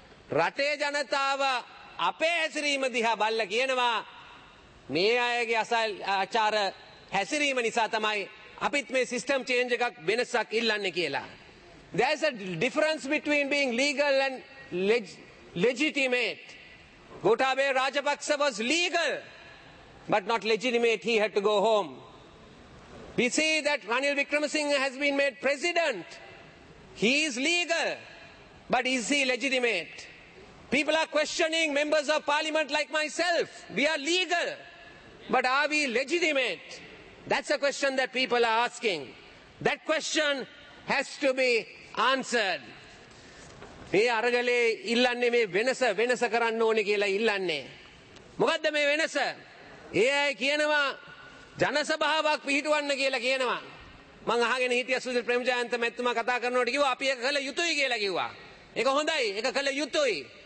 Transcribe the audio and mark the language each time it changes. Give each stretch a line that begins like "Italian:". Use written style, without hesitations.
Sinhala: රටේ ජනතාව අපේ හැසිරීම දිහා බල්ල කියනවා. මේ අයගේ අසල් ආචාර හැසිරීම නිසා තමයි අපිත් මේ සිස්ටම් චේන්ජ් එකක් වෙනසක් ඉල්ලන්නේ කියලා.
English: There is a difference between being legal and legitimate. Gotabaya Rajapaksa was legal but not legitimate. He had to go home. We see that Ranil Wickremesinghe has been made president. He is legal but is he legitimate? People are questioning members of parliament like myself. We are legal but are we legitimate? That's a question that people are asking. That question has to be answered.
Sinhala: මේ අරගලේ ඉල්ලන්නේ මේ වෙනස වෙනස කරන්න ඕනේ කියලා ඉල්ලන්නේ. මොකද්ද මේ වෙනස? ඒ අය කියනවා ජනසභාවක් පිහිටවන්න කියලා කියනවා. මම අහගෙන හිටිය සුදිර ප්‍රේමජයන්ත මැතිතුමා කතා කරනකොට කිව්වා අපි ඒක කළ යුතුයි කියලා කිව්වා. ඒක හොඳයි. ඒක කළ යුතුයි.